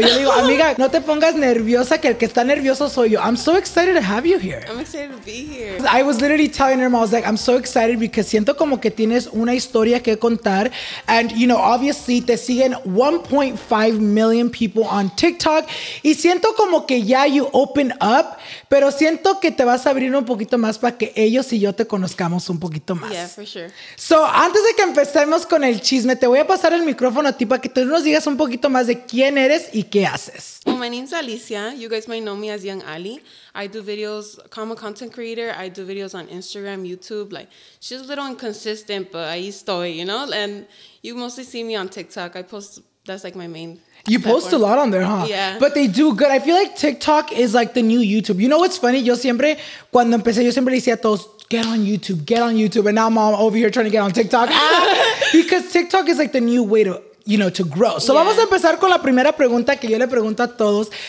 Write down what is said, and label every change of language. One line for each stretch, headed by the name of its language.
Spanish: Yo digo, amiga, no te pongas nerviosa, que el que está nervioso soy yo.
English: I'm so excited to have you here. I'm excited to be here. I was literally telling her, I was like, I'm so excited because
Spanish: siento como que tienes una historia que contar.
English: And, you know, obviously,
Spanish: te siguen
English: 1.5 million people on TikTok.
Spanish: Y siento como que ya
English: you open up,
Spanish: pero siento que te vas a abrir un poquito más para que ellos y yo te conozcamos un poquito más.
English: Yeah, for sure.
Spanish: So, antes de que empecemos con el chisme, te voy a pasar el micrófono a ti para que tú nos digas un poquito más de quién eres y qué haces.
English: My name's Alicia. You guys might know me as Young Ali. I do videos, I'm a content creator. I do videos on Instagram, YouTube. Like, she's a little inconsistent, but
Spanish: ahí estoy,
English: you know? And you mostly see me on TikTok. I post, that's like my main... You post a lot on there, huh? Yeah. But they do good. I feel like TikTok is like the new YouTube. You know what's funny?
Spanish: Yo siempre, cuando empecé, yo siempre le decía a todos,
English: get on YouTube, get on YouTube. And now mom over here trying to get on TikTok. Because TikTok is like the new way to, you know, to grow. So
Spanish: Vamos a empezar con la primera pregunta que yo le pregunto a todos.